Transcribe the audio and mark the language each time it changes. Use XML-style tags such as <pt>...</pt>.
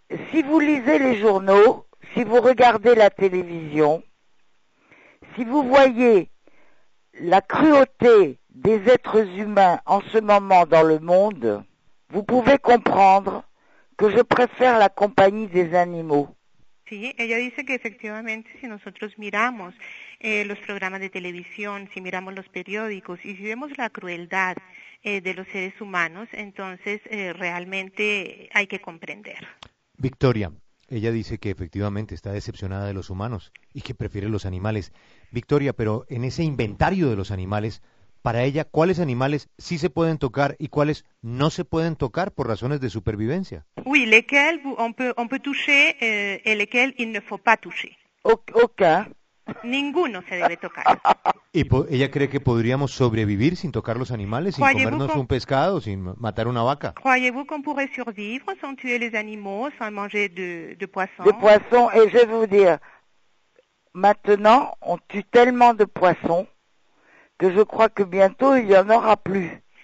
<fr>Si vous lisez les journaux, si vous regardez la télévision, si vous voyez la cruauté des êtres humains en ce moment dans le monde, vous pouvez comprendre que je préfère la compagnie des animaux.</fr> <es>Sí, ella dice que efectivamente si nosotros miramos los programas de televisión, si miramos los periódicos y si vemos la crueldad de los seres humanos, entonces realmente hay que comprender. Victoria, ella dice que efectivamente está decepcionada de los humanos y que prefiere los animales. Victoria, pero en ese inventario de los animales, para ella, ¿cuáles animales sí se pueden tocar y cuáles no se pueden tocar por razones de supervivencia?</es> <fr>Oui, lesquels on peut toucher et lesquels il ne faut pas toucher. Aucun.</fr> <es>Ninguno se debe tocar. ¿Y ella cree que podríamos sobrevivir sin tocar los animales, sin comernos un pescado, sin matar una vaca?</es> <fr>Croyez-vous qu'on pourrait survivre sans tuer les animaux, sans manger de De poissons? poissons, et je vais vous dire, maintenant, on tue tellement de poissons que je crois que bientôt il n'y en aura plus.</fr>